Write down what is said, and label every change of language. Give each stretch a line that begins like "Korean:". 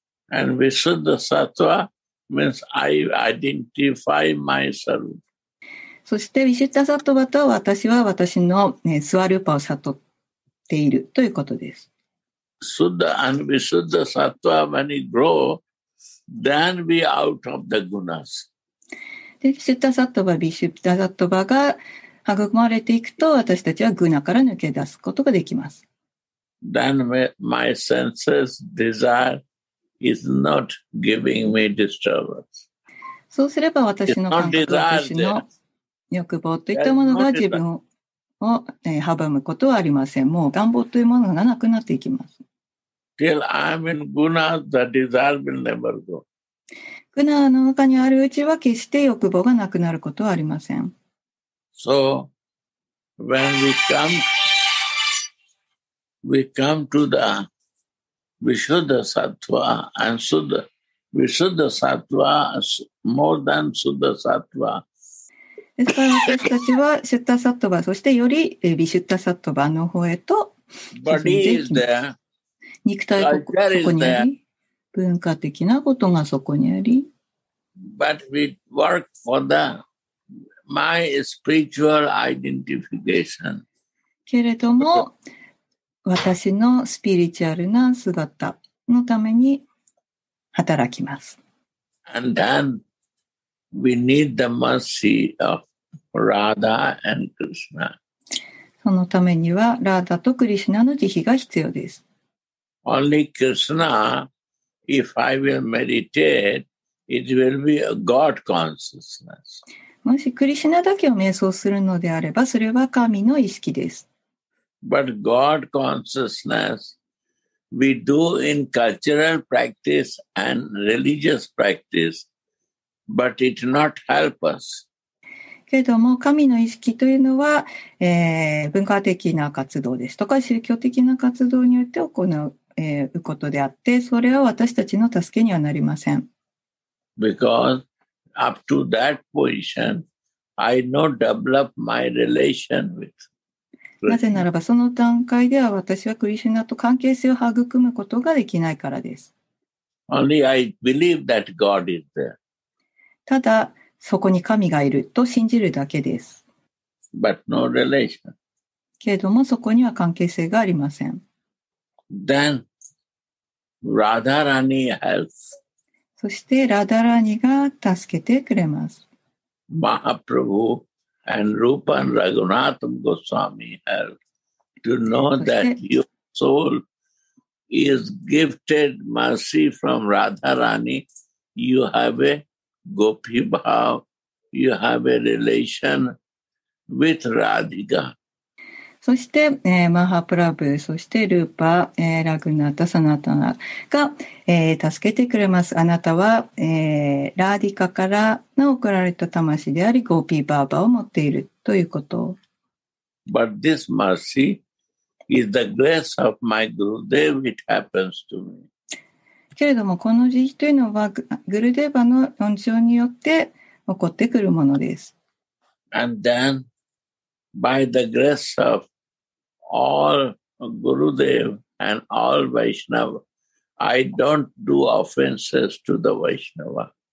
English: And with Suddha Sattva means I identify myself.
Japanese: そして Suddha Sattva とは私は私の、ね、スワルーパを悟っているということです。
English: Suddha and with Suddha Sattva when we grow, then we out of the gunas.
Japanese: でシュッタサットバ、ビシュッタサットバが育まれていくと、私たちはグナから抜け出すことができます。
English: Then my senses desire is not giving me disturbance.
Japanese: そうすれば私の感覚、私の欲望といったものが自分を阻むことはありません。もう願望というものがなくなっていきます。
English: Till I'm in guna, the desire will never go.
Japanese: グナの中にあるうちは決して欲望がなくなることはありません。
English: So, when we come to the Vishuddha Sattva and Suddha, Vishuddha Sattva more than Suddha Sattva.
Japanese: ですから私たちはシュッタサットバ、そしてよりビシュッタサットバの方へと進んでいきます。
English: Body is there.
Japanese: 肉体がここにあり、文化的なことがそこにあり、
English: But we work for the my spiritual identification.
Japanese: けれども、私のスピリチュアルな姿のために働きます。
English: And then we need the mercy of Radha and Krishna.
Japanese: そのためには、ラーダとクリシナの慈悲が必要です。
English: Only Krishna if I will meditate, it will be a God consciousness.
Japanese: もしクリシュナだけを瞑想するのであれば、それは神の意識です。
English: But God consciousness, we do in cultural practice and religious practice, but it not help us.
Japanese: けれども神の意識というのは、文化的な活動ですとか宗教的な活動によって行うことであってそれは私たちの助けにはなりません。
English: Because up to that position, I not develop my relation with
Japanese: Krishna. なぜならばその段階では私はクリシュナと関係性を育むことができないからです。
English: Only I believe that God is there.
Japanese: ただそこに神がいると信じるだけです。
English: But no relation.
Japanese: けれどもそこには関係性がありません。
English: Then Radharani helps.
Japanese: そしてラダラニが助けてくれます。
English: Mahaprabhu and Rupa and Raghunath Goswami help to know that your soul is gifted mercy from Radharani. You have aGopi Bhav, you have a relation with Radhika.
Japanese: そして、マハプラブ、そしてルーパ、ラグナタ、サナタナが、助けてくれます。あなたは、ラーディカからの贈られた魂であり、ゴピーバーバを持っているということ。
English: But this mercy is the grace of my Gurudev, it happens to me.
Japanese: けれどもこの慈悲というのはグルデーバの恩寵によって起こってくるものです。
English: And then, by the grace of all Gurudev and all Vaishnava, I don't do offenses to the Vaishnava.